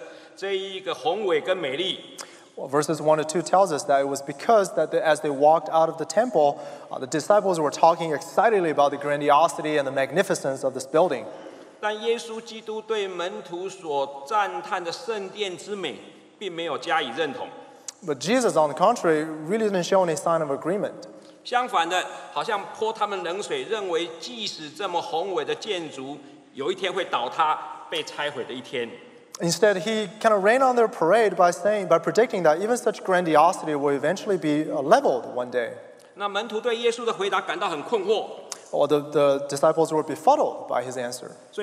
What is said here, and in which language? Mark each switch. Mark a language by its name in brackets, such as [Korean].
[Chinese] 在前文1到2节就告诉我们，是因为耶稣基督和门徒从耶路撒冷圣殿出来之后，有门徒很兴奋地在谈论圣殿建筑的这一个宏伟跟美丽。 [English] Verses 1 to 2 tells us that it was because that as they walked out of the temple, the disciples were talking excitedly about the grandiosity and the magnificence of this building. [Chinese] 但耶稣基督对门徒所赞叹的圣殿之美并没有加以认同。 [English] But Jesus, on the contrary, really didn't show any sign of agreement. [Chinese] 相反的，好像泼他们冷水，认为即使这么宏伟的建筑有一天会倒塌、被拆毁的一天。 [English] Instead, he kind of rained on their parade by saying, by predicting that even such grandiosity will eventually be leveled one day. [Chinese] 那门徒对耶稣的回答感到很困惑。 [English] Or the disciples were befuddled by his answer.